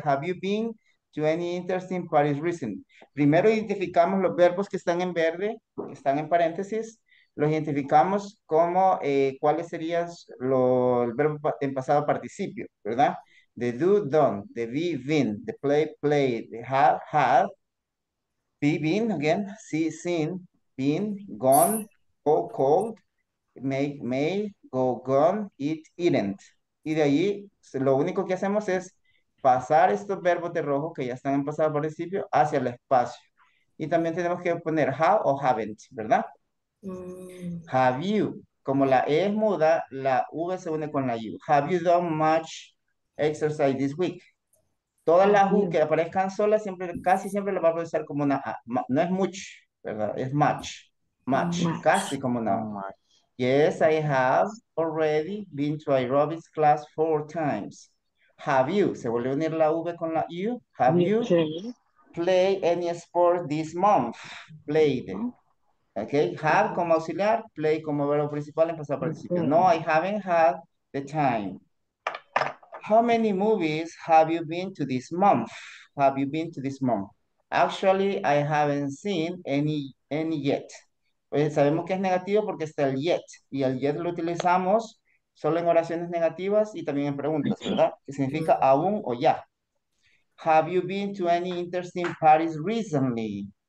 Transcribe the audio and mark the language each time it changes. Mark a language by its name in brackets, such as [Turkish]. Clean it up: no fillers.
[English] Have you been to any interesting parties recently? [Spanish] Primero identificamos los verbos que están en verde, que están en paréntesis. Los identificamos como cuáles serían los verbos en pasado participio, ¿verdad? [English] The do, done, the be, been, the play, played, the have, be, been, again, see, seen, been, gone, go, called, make, made, go, gone, eat, eaten. [Spanish] Y de allí, lo único que hacemos es pasar estos verbos de rojo que ya están en pasado participio hacia el espacio. Y también tenemos que poner have o haven't, ¿verdad? Have you, como la E es muda, la V se une con la U. Have you done much exercise this week? Todas las U que aparezcan solas, siempre, casi siempre las va a producir como una A. No es much, ¿verdad? Es much. Much. Casi como una A. [English] Yes, I have already been to aerobics class 4 times. Have you, se vuelve a unir la V con la U. Have you played any sport this month? Played. [Spanish] Okay, have como auxiliar, play como verbo principal en pasado participio. [English] No, I haven't had the time. How many movies have you been to this month? Have you been to this month? Actually, I haven't seen any yet. [Spanish] Pues sabemos que es negativo porque está el yet. Y el yet lo utilizamos solo en oraciones negativas y también en preguntas, ¿verdad? Que significa aún o ya. [English] Have you been to any interesting parties recently?